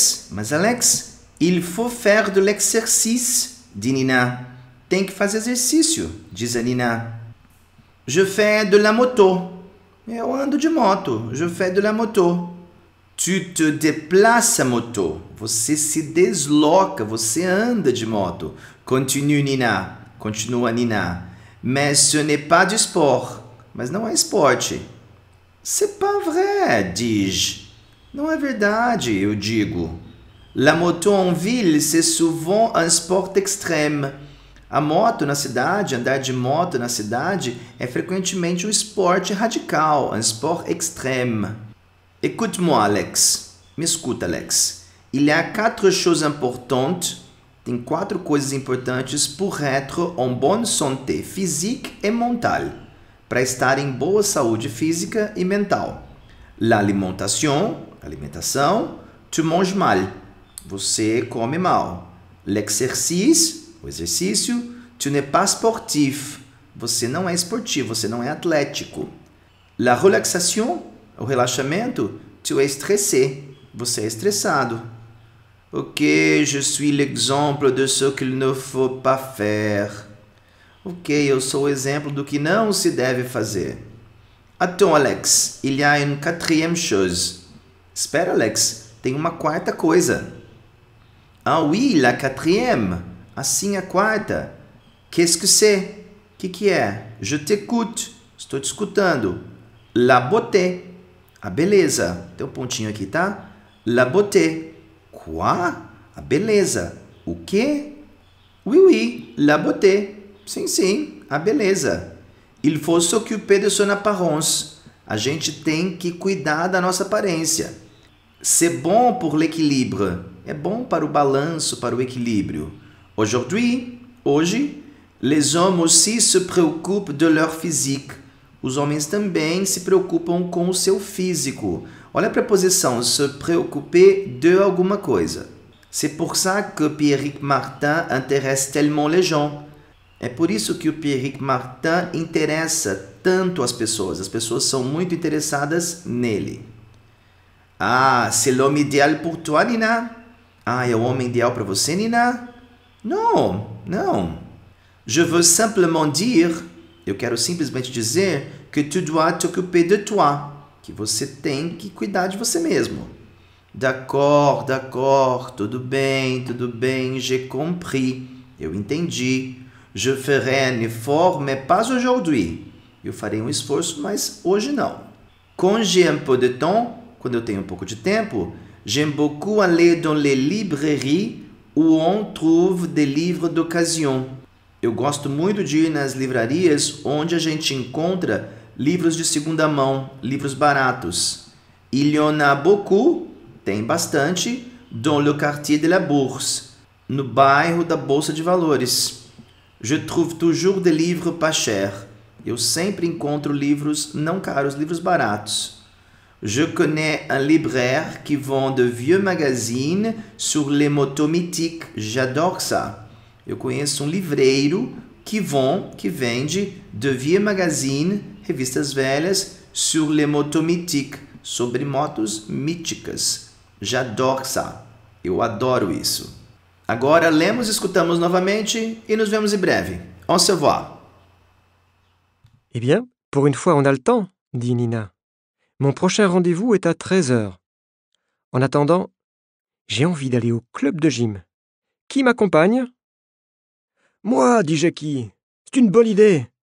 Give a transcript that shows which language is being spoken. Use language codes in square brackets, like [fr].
[fr] Mas Alex, il faut faire de l'exercice, dit Nina. [pt] Tem que fazer exercício, diz a Nina. [fr] Je fais de la moto. [pt] Eu ando de moto. [fr] Je fais de la moto. Tu te déplaces à moto. [pt] Você se desloca. Você anda de moto. [fr] Continue, Nina. Continua, Nina. Mais ce n'est pas du sport. [pt] Mas não é esporte. [fr] C'est pas vrai, dis-je. [pt] Não é verdade, eu digo. [fr] La moto en ville, c'est souvent un sport extrême. [pt] A moto na cidade, andar de moto na cidade, é frequentemente um esporte radical, [fr] un sport extrême. Écoute-moi, Alex. [pt] Me escuta, Alex. [fr] Il y a quatre choses importantes. [pt] Tem quatro coisas importantes [fr] pour être en bonne santé, physique et mentale. [pt] Para estar em boa saúde física e mental. L'alimentation, alimentação. [fr] Tu manges mal. [pt] Você come mal. [fr] L'exercice, [pt] o exercício. [fr] Tu n'es pas sportif. [pt] Você não é esportivo, você não é atlético. [fr] La relaxation, [pt] o relaxamento. [fr] Tu es stressé. [pt] Você é estressado. [fr] Ok, je suis l'exemple de ce qu'il ne faut pas faire. [pt] Ok, eu sou o exemplo do que não se deve fazer. [fr] Attends, Alex, il y a une quatrième chose. [pt] Espera, Alex, tem uma quarta coisa. [fr] Ah oui, la quatrième. [pt] Assim, a quarta. [fr] Qu'est-ce que c'est? [pt] Que é? [fr] Je t'écoute. [pt] Estou te escutando. [fr] La beauté. [pt] A beleza. Tem um pontinho aqui, tá? [fr] La beauté. Quoi? [pt] A beleza. O quê? [fr] Oui, oui, la beauté. [pt] Sim, sim, a beleza. [fr] Il faut s'occuper de son apparence. [pt] A gente tem que cuidar da nossa aparência. [fr] C'est bon pour l'équilibre. [pt] É bom para o balanço, para o equilíbrio. [fr] Aujourd'hui, [pt] hoje, [fr] les hommes aussi se préoccupent de leur physique. [pt] Os homens também se preocupam com o seu físico. Olha a preposição, [fr] se préoccuper de [pt] alguma coisa. [fr] C'est pour ça que Pierrick Martin intéresse tellement les gens. [pt] É por isso que o Pierrick Martin interessa tanto as pessoas. As pessoas são muito interessadas nele. [fr] Ah, c'est l'homme idéal pour toi, Nina? [pt] Ah, é o homem ideal para você, Nina? [fr] Non, non. Je veux simplement dire, [pt] eu quero simplesmente dizer, [fr] que tu dois t'occuper de toi. [pt] Que você tem que cuidar de você mesmo. [fr] D'accord, d'accord, [pt] tudo bem, [fr] j'ai compris. [pt] Eu entendi. [fr] Je ferai un effort, mais pas aujourd'hui. [pt] Eu farei um esforço, mas hoje não. [fr] Quand j'ai un peu de temps, [pt] quando eu tenho um pouco de tempo, [fr] j'aime beaucoup aller dans les librairies où on trouve des livres d'occasion. [pt] Eu gosto muito de ir nas livrarias onde a gente encontra livros de segunda mão, livros baratos. [fr] Il y en a beaucoup, [pt] tem bastante, [fr] dans le quartier de la Bourse, [pt] no bairro da Bolsa de Valores. [fr] Je trouve toujours des livres pas chers. [pt] Eu sempre encontro livros não caros, livros baratos. [fr] Je connais un libraire qui vend de vieux magazines sur les motos mythiques. J'adore ça. [pt] Eu conheço um livreiro que vende [fr] de vieux magazines, [pt] revistas velhas, [fr] sur les motos mythiques, [pt] sobre motos míticas. [fr] J'adore ça. [pt] Eu adoro isso. Agora lemos e escutamos novamente e nos vemos em breve. [fr] Au revoir. Eh bien, pour une fois on a le temps, dit Nina. Mon prochain rendez-vous est à 13h. En attendant, j'ai envie d'aller au club de gym. Qui m'accompagne? Moi, dit Jackie. C'est une bonne idée.